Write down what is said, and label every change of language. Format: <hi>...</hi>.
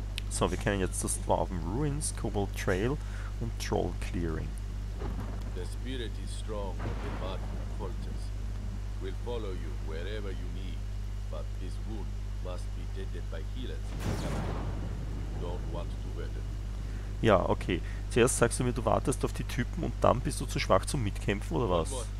<de>So, wir kennen jetzt das Dwarven Ruins, Kobold Trail und Troll Clearing.</de> <en>The spirit is strong, but the body falters. We'll follow you wherever you need, but this wound must be tended by healers. Don't want to hurt them.</en> <de>Ja, okay. Zuerst sagst du mir, du wartest auf die Typen und dann bist du zu schwach zum Mitkämpfen, oder was?</de>